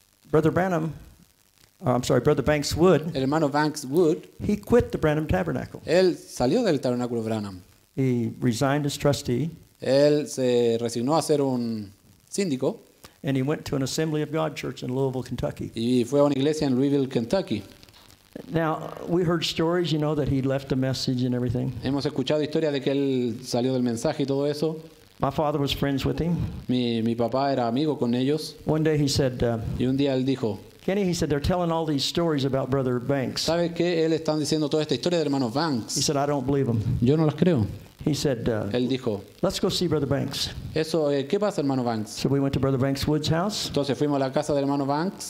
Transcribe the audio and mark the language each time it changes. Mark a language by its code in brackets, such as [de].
[en] Brother Banks Wood, [es] el hermano Banks Wood, [en] he quit the Branham Tabernacle. [es] Él salió del tabernáculo Branham. [en] He resigned as trustee. [es] Él se resignó a ser un síndico. [en] And he went to an Assembly of God church in Louisville, Kentucky. [es] Y fue a una iglesia en Louisville, Kentucky. [en] Now, we heard stories, you know, that he left a message and everything. [es] Hemos escuchado historias de que él salió del mensaje y todo eso. [en] My father was friends with him. [es] Mi papá era amigo con ellos. [en] One day he said, [es] y un día él dijo, [en] Kenny, he said, they're telling all these stories about Brother Banks. [es] ¿Sabes qué? Él están diciendo toda esta historia del hermano Banks. [en] He said, I don't believe them. [es] Yo no las creo. [en] He said, [es] él dijo, [en] let's go see Brother Banks. [es] Eso, ¿qué pasa, hermano Banks? [en] So we went to Brother Banks Wood's house. [es] Entonces fuimos a la casa del hermano Banks.